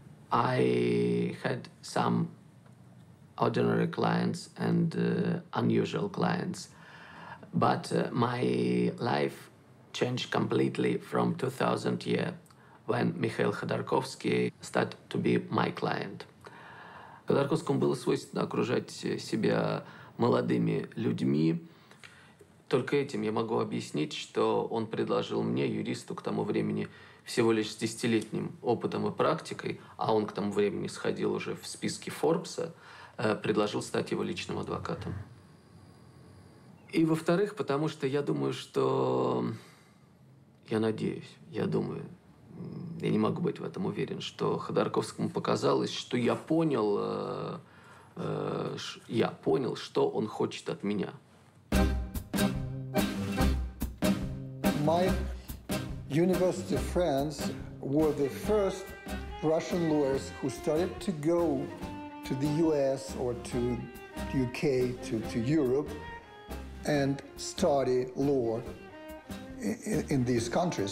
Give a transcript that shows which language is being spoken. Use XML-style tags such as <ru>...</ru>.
<en>I had some ordinary clients and unusual clients, but my life changed completely from 2000 year when Mikhail Khodorkovsky started to be my client.</en> <ru>Ходорковскому было свойственно окружать себя молодыми людьми. Только этим я могу объяснить, что он предложил мне, юристу, к тому времени всего лишь с 10-летним опытом и практикой, а он к тому времени сходил уже в списки Форбса, предложил стать его личным адвокатом. И во-вторых, потому что я думаю, что... Я надеюсь, я думаю... Я не могу быть в этом уверен, что Ходорковскому показалось, что я понял, что он хочет от меня.</ru> <en>My university friends were the first Russian lawyers who started to go to the US or to the UK, to Europe and study law in these countries.</en>